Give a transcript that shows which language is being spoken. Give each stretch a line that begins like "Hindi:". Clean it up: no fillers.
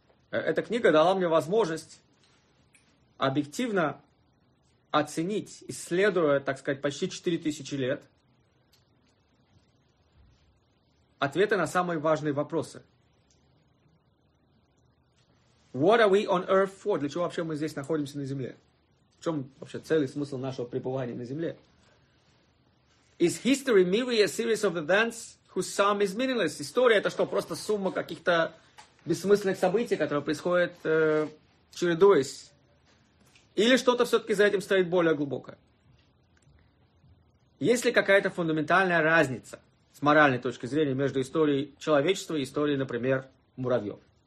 Russian: Эта книга дала мне возможность объективно оценить, исследуя, так сказать, почти 4000 лет, ответы на самые важные вопросы.
English: What are we on earth for?
Russian: Для чего вообще мы здесь находимся на Земле? В чем вообще цель и смысл нашего пребывания на Земле?
English: Is history merely a series of events whose sum is meaningless?
Russian: История – это что, просто сумма каких-то бессмысленных событий, которые происходят, чередуясь? Или что-то все-таки за этим стоит более глубокое? Есть ли какая-то фундаментальная разница с моральной точки зрения между историей человечества и историей, например, муравьев?